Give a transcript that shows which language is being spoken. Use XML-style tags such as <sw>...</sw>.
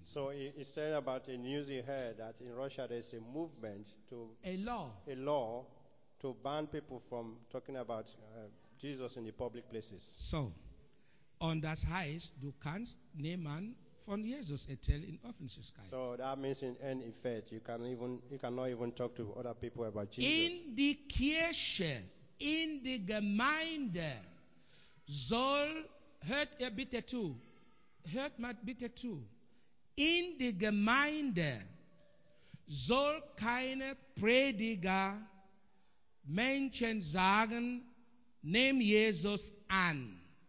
<en>So he said about the news he heard that in Russia there is a movement to a law to ban people from talking about Jesus in the public places.</en> <de>So, und das heißt, du kannst niemand von Jesus erzählen in Öffentlichkeit.</de> <en>So that means in any effect you cannot even talk to other people about Jesus.</en> <de>In die Kirche, in die Gemeinde soll, hört ihr bitte zu. Hört mal bitte zu. In der Gemeinde soll keine Prediger Menschen sagen, nimm Jesus an.</de>